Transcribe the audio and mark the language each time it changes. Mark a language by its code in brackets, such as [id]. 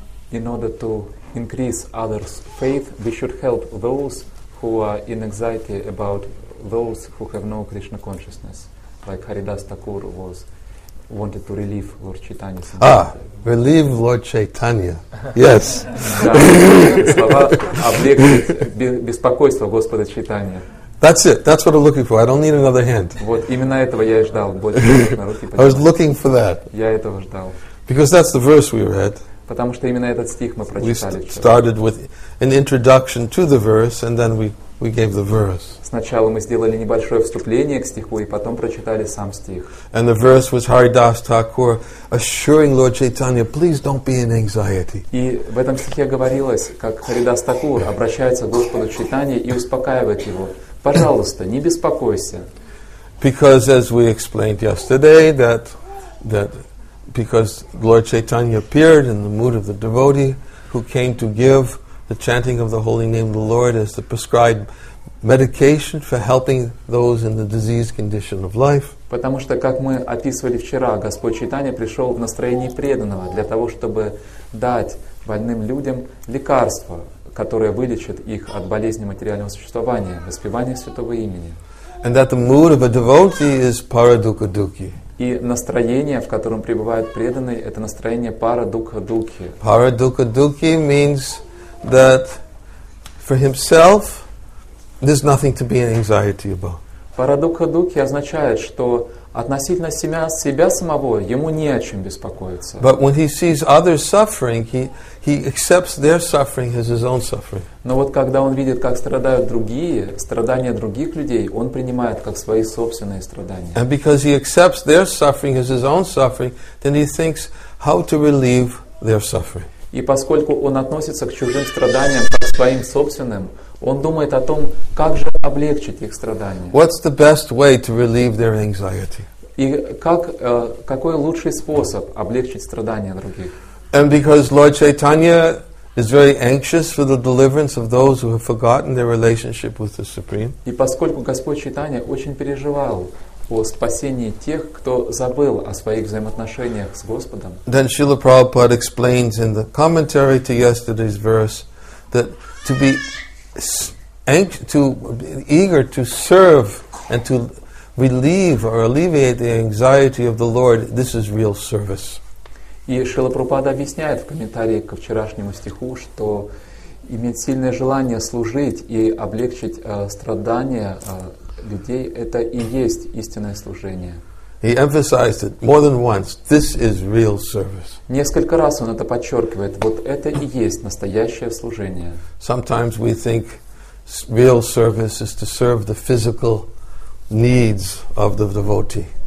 [en] In order to increase others' faith, we should help those who are in anxiety about those who have no Krishna consciousness, like Haridas Thakur wanted to relieve Lord Chaitanya. Ah, relieve Lord Chaitanya. Yes. [ru] Слова облегчить беспокойство Господа Чайтанья. [en] That's it. That's what I'm looking for. I don't need another hand. [ru] Вот именно этого я и ждал. Больше на руки поднимать. [en] I was looking for that. [ru] Я этого ждал. [en] Because that's the verse we read. [ru] Потому что именно этот стих мы прочитали. [en] We started with an introduction to the verse, and then we gave the verse. [ru] Сначала мы сделали небольшое вступление к стиху, и потом прочитали сам стих. [en] And the verse was Haridas Thakur assuring Lord Chaitanya, please don't be in anxiety. [ru] И в этом стихе говорилось, как Haridas Thakur обращается к Господу Чайтанье и успокаивает его. Пожалуйста, не беспокойся. [en] Because as we explained yesterday, that because Lord Chaitanya appeared in the mood of the devotee who came to give the chanting of the holy name of the Lord as the prescribed medication for helping those in the diseased condition of life. [ru] Потому что, как мы описывали вчера, Господь Чайтанья пришел в настроении преданного для того, чтобы дать больным людям лекарства. Которая вылечит их от болезни материального существования, воспевания святого имени. [en] And that the mood of a devotee is paradukha-dukhi. [ru] И настроение, в котором пребывает преданный, это настроение paradukha-dukhi. [en] Paradukha-dukhi means that for himself there's nothing to be in anxiety about. [ru] Paradukha-dukhi означает, что относительно себя самого ему не о чем беспокоиться. [en] But when he sees others suffering, he accepts their suffering as his own suffering. [ru] Но вот когда он видит, как страдают другие, страдания других людей, он принимает как свои собственные страдания. [en] And because he accepts their suffering as his own suffering, then he thinks how to relieve their suffering. [ru] И поскольку он относится к чужим страданиям как к своим собственным, он думает о том, как же облегчить их страдания. [en] What's the best way to relieve their anxiety? [ru] И как, какой лучший способ облегчить страдания других? [en] And because Lord Chaitanya is very anxious for the deliverance of those who have forgotten their relationship with the Supreme. [ru] И поскольку Господь Чайтанья очень переживал о спасении тех, кто забыл о своих взаимоотношениях с Господом. [en] Then Srila Prabhupada explains in the commentary to yesterday's verse that to be eager to serve and to relieve or alleviate the anxiety of the Lord, this is real service. [ru] И Шрила Прабхупада объясняет в комментарии ко вчерашнему стиху, что иметь сильное желание служить и облегчить страдания людей — это и есть истинное служение. [en] He emphasized it more than once. This is real service. [ru] Несколько раз он это подчеркивает. Вот это и есть настоящее служение. [en] Sometimes we think real service is to serve the physical needs of the devotee.